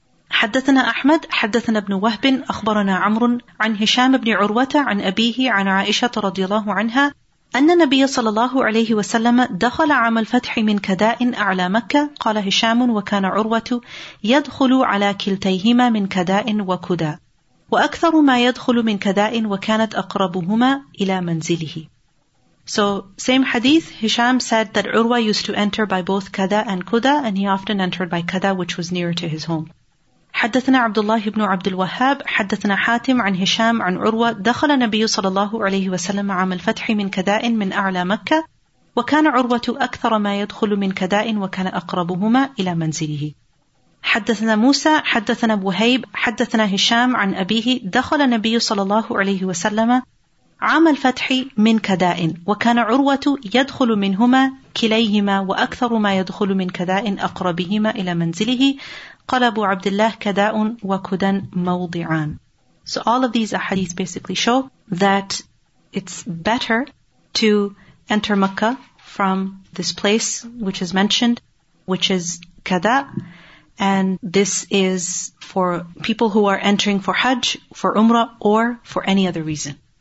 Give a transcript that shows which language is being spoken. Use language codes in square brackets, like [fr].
[ar] حدثنا أحمد حدثنا ابن وهب أخبرنا عمرو عن هشام بن عروة عن أبيه عن عائشة رضي الله عنها أن النبي صلى الله عليه وسلم دخل عام الفتح من كداء أعلى مكة قال هشام وكان عروة يدخل على كلتيهما من كداء وكدا وأكثر ما يدخل من كداء وكانت أقربهما إلى منزله. [en] So same hadith, Hisham said that Urwa used to enter by both Kada and Kuda, and he often entered by Kada, which was nearer to his home. [ar] حدثنا عبد الله بن عبد الوهاب حدثنا حاتم عن هشام عن عروة دخل النبي صلى الله عليه وسلم عام الفتح من كداء من أعلى مكة وكان عروة أكثر ما يدخل من كداء وكان أقربهما إلى منزله. حدثنا موسى حدثنا بوهيب حدثنا هشام عن أبيه دخل النبي صلى الله عليه وسلم عام الفتح من كداء وكان عروة يدخل منهما كليهما وأكثر ما يدخل من كداء أقربهما إلى منزله. قَالَ أَبُو عَبْدِ اللَّهِ كَدَاءٌ وَكُدًا مَوْضِعًا. [en] So all of these ahadith basically show that it's better to enter Makkah from this place which is mentioned, which is Kada. And this is for people who are entering for Hajj, for Umrah, or for any other reason.